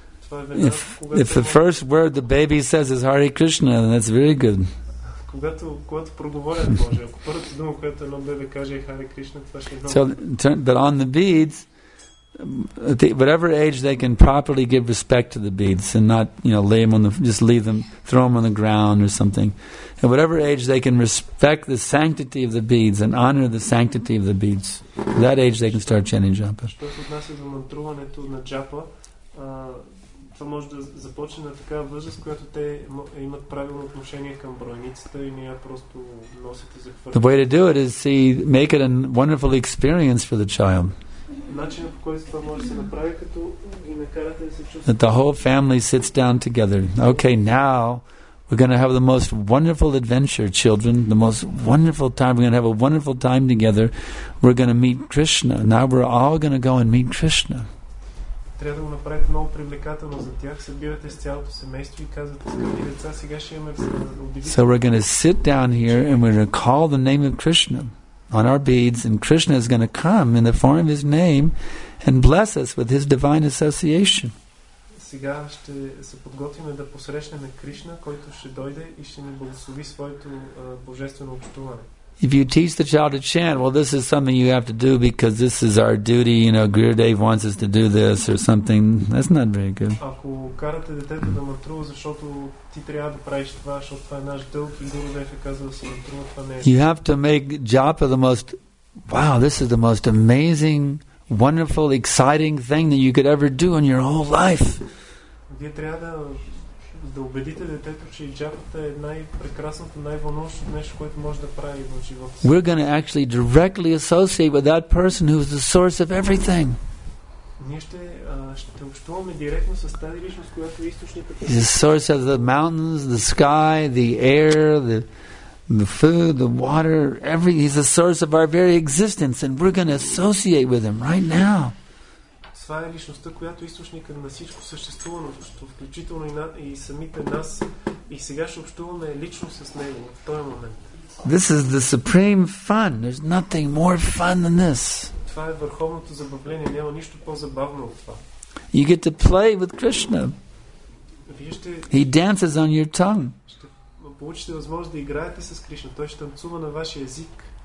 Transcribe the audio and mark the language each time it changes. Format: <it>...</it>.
<en>If the first word the baby says is Hare Krishna, then that's very good.</en> <bg>Когато проговорят Боже, ако първата дума, която едно бебе каже е Хари Кришна, това ще е много.</bg> <en>But on the beads, whatever age they can properly give respect to the beads and not, you know, lay them on the, just leave them, throw them on the ground or something. At whatever age they can respect the sanctity of the beads and honor the sanctity of the beads, at that age they can start chanting japa.</en> <bg>Що се отнася за мантруването на джапа, това може да започне на такава възраст, която те имат правилно отношение към бройницата и не я просто носят и захвърлят.</bg> <en>The way to do it is to make it a wonderful experience for the child.</en> <bg>Начинът, по който това може да се направи, като ги накарате да се чувстват.</bg> <en>That the whole family sits down together. Okay, now we're going to have the most wonderful adventure, children. The most wonderful time. We're going to have a wonderful time together. We're going to meet Krishna. Now we're all going to go and meet Krishna.</en> <bg>Трябва да го направите много привлекателно за тях. Събирате с цялото семейство и казвате, скъпи деца, сега ще имаме удивително.</bg> <en>So we're going to sit down here and we're going to call the name of Krishna on our beads, and Krishna is going to come in the form of his name and bless us with his divine association.</en> <bg>Сега ще се подготвим да посрещнем Кришна, който ще дойде и ще ни благослови своето божествено общуване.</bg> <en>If you teach the child to chant, well, this is something you have to do because this is our duty, you know, Gurudev wants us to do this or something, that's not very good.</en> <bg>Ако карате детето да мантрува, защото ти трябва да правиш това, защото това е наш дълг и Гурудев е казал да се мантрува, това не е.</bg> <en>You have to make japa the most, wow, this is the most amazing, wonderful, exciting thing that you could ever do in your whole life.</en> <bg>Вие трябва да убедите детето, че джапата е най-прекрасното, най-вълнуващо нещо, което може да прави в живота.</bg> <en>We're going to actually directly associate with that person who is the source of everything.</en> <bg>Ние ще общуваме директно с тази личност, която е източникът.</bg> <en>The source of the mountains, the sky, the air, the food, the water, everything. He's the source of our very existence, and we're going to associate with him right now.</en> <bg>Това е личността, която е източникът на всичко съществуващо, включително и самите нас, и сега ще общуваме лично с него в този момент.</bg> <en>This is the supreme fun. There's nothing more fun than this.</en> <bg>Това е върховното забавление, няма нищо по-забавно от това.</bg> <en>You get to play with Krishna. He dances on your tongue.</en> <bg>Ще получите възможност да играете с Кришна. Той ще танцува на вашия език.</bg>